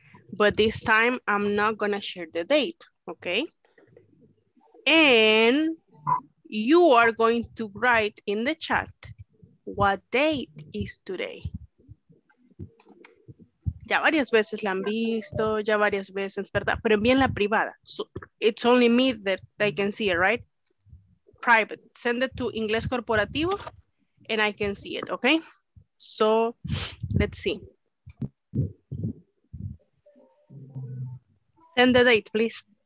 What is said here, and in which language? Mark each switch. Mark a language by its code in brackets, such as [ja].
[en] But this time I'm not gonna share the date, okay? And you are going to write in the chat what date is today. [es] Ya varias veces la han visto, ya varias veces, ¿verdad? Pero envíenla la privada. [en] So it's only me that they can see it, right? Private. Send it to Inglés Corporativo and I can see it, okay? So let's see. Send the date, please.